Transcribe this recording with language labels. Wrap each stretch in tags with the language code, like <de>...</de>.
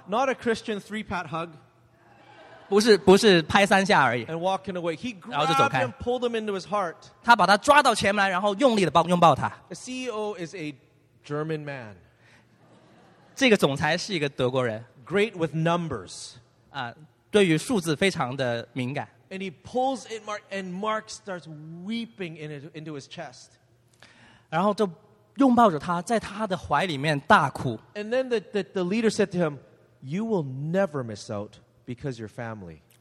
<en>Not a Christian three-pat hug，</en> <zh>不是拍三下而已。</zh> <en>And walking away， he grabbed him， pulled him into his heart，</en> <zh>他把他抓到前面来，然后用力的拥抱他。</zh> <en>The CEO is a German man，</en> <zh>这个总裁是一个德国人，</zh> <en>great with numbers，</en> <zh>对于数字非常的敏感。</zh> <en>And he pulls in Mark, and Mark starts weeping into his chest.</en> <zh>然后就拥抱着他，在他的怀里面大哭。</zh> <en>And then the leader said to him, "You will never miss out because you're family."</en>